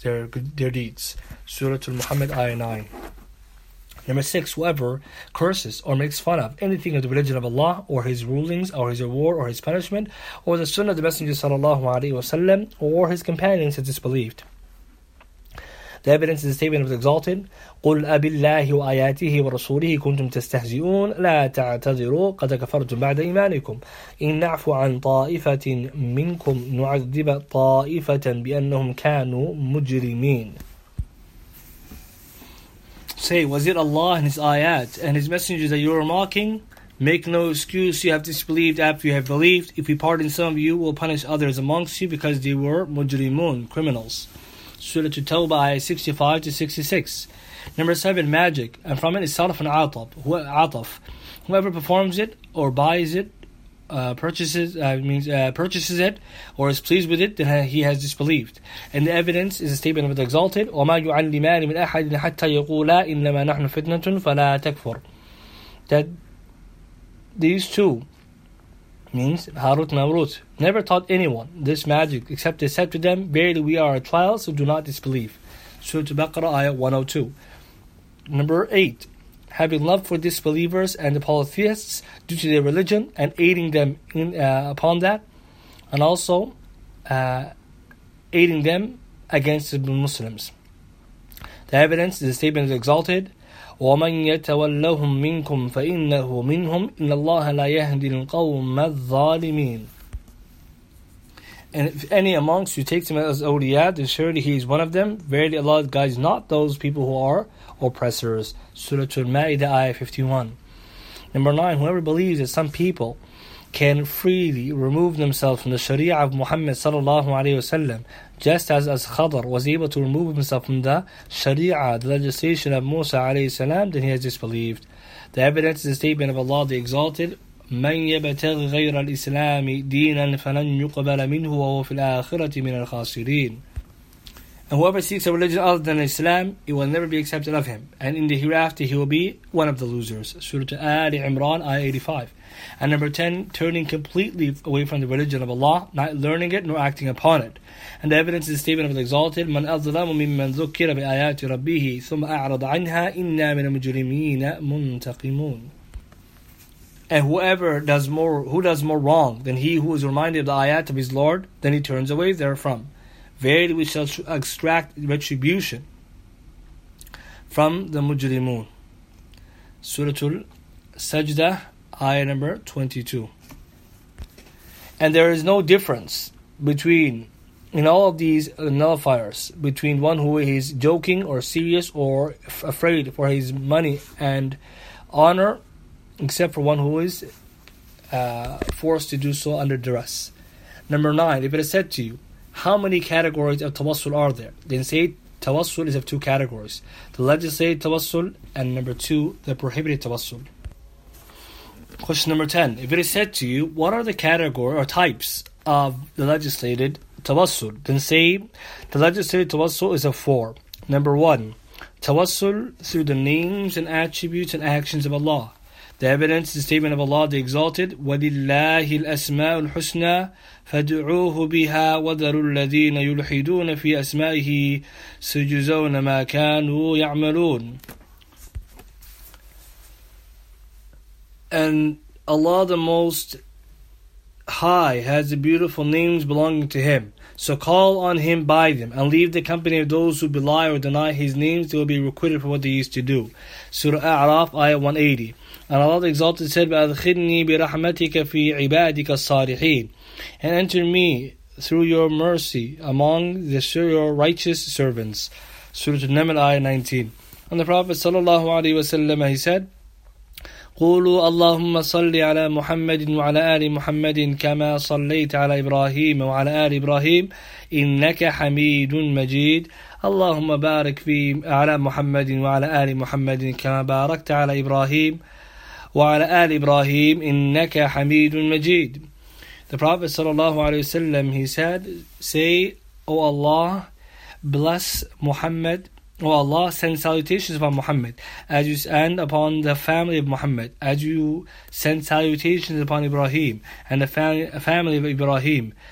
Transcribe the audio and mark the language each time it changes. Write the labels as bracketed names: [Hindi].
[English] Suratul Muhammad, Ayah 9. Number six, whoever curses or makes fun of anything of the religion of Allah, or his rulings, or his reward, or his punishment, or the sunnah of the Messenger sallallahu alaihi wasallam, or his companions, has disbelieved. The evidence is the statement of the Exalted, [Arabic] قُلْ أَبِ اللَّهِ وَآيَاتِهِ وَرَسُولِهِ كُنْتُمْ تَسْتَهْزِئُونَ لَا تَعْتَذِرُوا قَدْ كَفَرْتُمْ بَعْدَ إِيمَانِكُمْ إِنْ نَعْفُ عَنْ طَائِفَةٍ مِّنْكُمْ نُعَذِّبَ طَائِفَةً بِأَنَّهُمْ كَانُوا مُجْرِمِينَ. [English] Say, was it Allah and His ayat and His messengers that you are mocking? Make no excuse, you have disbelieved after you have believed. If we pardon some of you, we'll punish others amongst you because they were mujrimun, criminals. Surah At-Tawbah, 65-66. Number 7, magic. And from it is salaf and ataf. Whoever performs it or buys it, purchases it, or is pleased with it, then he has disbelieved. And the evidence is a statement of the Exalted, [Arabic] وَمَا يُعَلِّمَانِ مِنْ أَحَدٍ حَتَّى يَقُولَ إِنَّمَا نَحْنُ فِتْنَةٌ فَلَا تَكْفُرُ. [English] That these two, means Harut and Marut, never taught anyone this magic, except they said to them, verily we are a trial, so do not disbelieve. Surah Al-Baqarah, Ayah 102. Number 8, having love for disbelievers and the polytheists due to their religion, and aiding them in upon that, and also aiding them against the Muslims. The evidence is the statement of the Exalted, [Arabic] وَمَنْ يَتَوَلَّهُمْ مِنْكُمْ فَإِنَّهُ مِنْهُمْ إِنَّ اللَّهَ لَا يَهْدِي الْقَوْمَ الظَّالِمِينَ. [English] And if any amongst you takes him as awliya, then surely he is one of them. Verily Allah guides not those people who are oppressors. Surah Al-Ma'idah, Ayah 51. Number 9, whoever believes that some people can freely remove themselves from the Sharia of Muhammad sallallahu alaihi wasallam, just as Khadr was able to remove himself from the Sharia, the legislation of Musa alaihi salam, then he has disbelieved. The evidence is the statement of Allah the Exalted, [Arabic] مَنْ يَبْتَغِ غَيْرَ الْإِسْلَامِ دِينًا فَلَنْ يُقْبَلَ مِنْهُ وَهُوَ فِي الْآخِرَةِ مِنَ الْخَاسِرِينَ. [English] And whoever seeks a religion other than Islam, it will never be accepted of him, and in the hereafter he will be one of the losers. Surah Ali Imran, Ayah 85. And number 10, turning completely away from the religion of Allah, not learning it nor acting upon it. And the evidence is the statement of the Exalted, [Arabic] مَنْ أَظْلَمُ مِمَّنْ ذُكِّرَ بِآيَاتِ رَبِّهِ ثُمَّ أَعْرَضَ عَنْهَا إِنَّا مِنَ الْمُجْرِمِينَ مُنْتَقِمُونَ. [English] And who does more wrong than he who is reminded of the ayat of his Lord, then he turns away therefrom. Verily we shall extract retribution from the mujrimun. Suratul Sajdah, Ayah number 22. And there is no difference between, in all of these nullifiers, between one who is joking or serious or afraid for his money and honor, except for one who is forced to do so under duress. Number 9, if it is said to you, how many categories of tawassul are there? Then say, tawassul is of two categories, the legislated tawassul, and number 2, the prohibited tawassul. Question number 10, if it is said to you, what are the category or types of the legislated tawassul? Then say, the legislated tawassul is of 4. Number 1, tawassul through the names and attributes and actions of Allah. The evidence, the statement of Allah, the Exalted, [Arabic] وَلِلَّهِ الْأَسْمَاءُ الْحُسْنَى فَدُعُوهُ بِهَا وَذَرُوا الَّذِينَ يُلْحِدُونَ فِي أَسْمَائِهِ سَيُجْزَوْنَ مَا كَانُوا يَعْمَلُونَ. [English] And Allah the Most High has the beautiful names belonging to Him. So call on Him by them and leave the company of those who belie or deny His names. They will be requited for what they used to do. Surah A'raf, Ayah 180. And Allah the Exalted said, [Arabic] وَأَدْخِلْنِي بِرَحْمَتِكَ فِي عِبَادِكَ الصَّالِحِينَ. [English] And enter me through your mercy among the your righteous servants. Surah An-Naml, Ayah 19. And the Prophet sallallahu alaihi wasallam, he said, [Arabic] قولوا اللهم صل على محمد وعلى آل محمد كما صليت على إبراهيم وعلى آل إبراهيم إنك حميد مجيد اللهم بارك في على محمد وعلى آل محمد كما باركت على إبراهيم وعلى آل إبراهيم إنك حميد مجيد. [English] The Prophet صلى الله عليه وسلم, he said, say, O Allah, bless Muhammad. O Allah, send salutations upon Muhammad, as you send upon the family of Muhammad, as you send salutations upon Ibrahim and the family of Ibrahim.